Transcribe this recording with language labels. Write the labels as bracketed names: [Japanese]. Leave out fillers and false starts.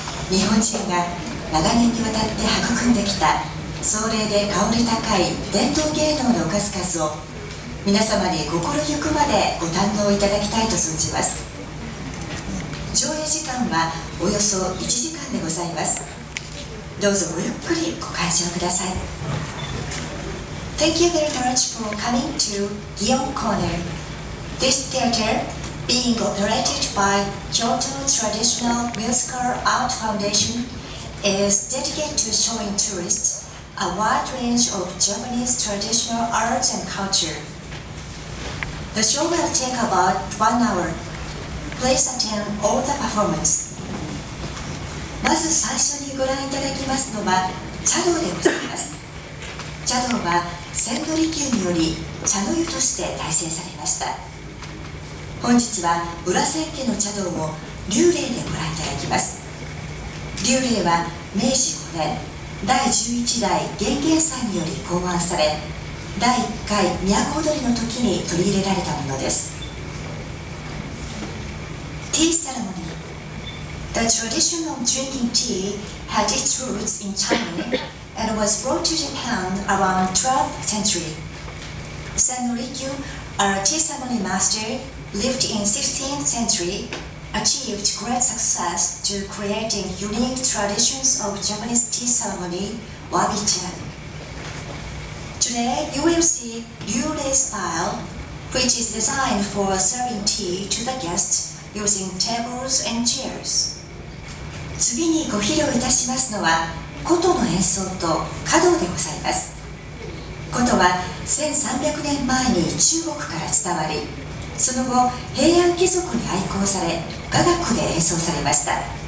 [Japanese] 日本人が長年にわたって育んできた壮麗で香り高い伝統芸能の数々を皆様に心ゆくまでご堪能いただきたいと存じます。上映時間はおよそ1時間でございます。どうぞごゆっくりご鑑賞ください。 [English] Thank you very much for coming to Gion Corner. This theater being operated by Kyoto Traditional Musical Art Foundation is dedicated to showing tourists a wide range of Japanese traditional arts and culture. The show will take about 1 hour. Please attend all the performances. [Japanese] まず最初にご覧いただきますのは茶道でございます。茶道は千利休により茶の湯として大成されました。本日は浦仙家の茶道を流麗でご覧いただきます。流麗は明治5年第11代玄元祭により考案され、第1回都踊りの時に取り入れられたものです。 [English] ティーセレモニー。 The tradition of drinking tea had its roots in China and was brought to Japan around 12th century. 千利休, a tea ceremony master, lived in 16th century. Achieved great success to creating unique traditions of Japanese tea ceremony, wabi-cha. Today, you will see ryurei style, which is designed for serving tea to the guests using tables and chairs. [Japanese] 次にご披露いたしますのは、琴の演奏と華道でございます。琴は1300年前に中国から伝わり、その後、平安貴族に愛好され、雅楽で演奏されました。